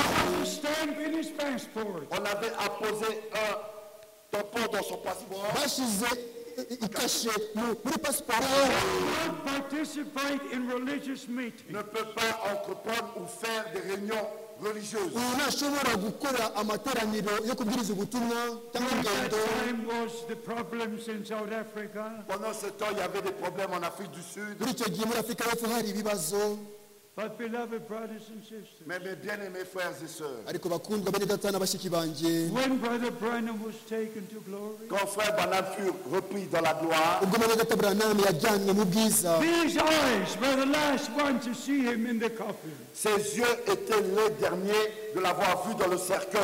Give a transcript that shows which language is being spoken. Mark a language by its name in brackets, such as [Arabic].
[French] 1965, on avait apposé un tampon dans son passeport. Ne peut pas entreprendre ou faire des réunions religieuses. [English] That time was the problems in South Africa. [French] Pendant ce temps, il y avait des problèmes en Afrique du Sud. [English] But beloved brothers and sisters. [French] Mais mes bien-aimés frères et sœurs. [Kinyarwanda] Ariko bakundwa bene data n'abashiki banje. [English] When Brother Branham was taken to glory. [French] Quand Frère Branham fut repris dans la gloire. [Kinyarwanda] Ubwo bene data Branham yajyanywe mu bwiza. [English] These eyes were the last one to see him in the coffin. [French] Ses yeux étaient les derniers de l'avoir vu dans le cercueil.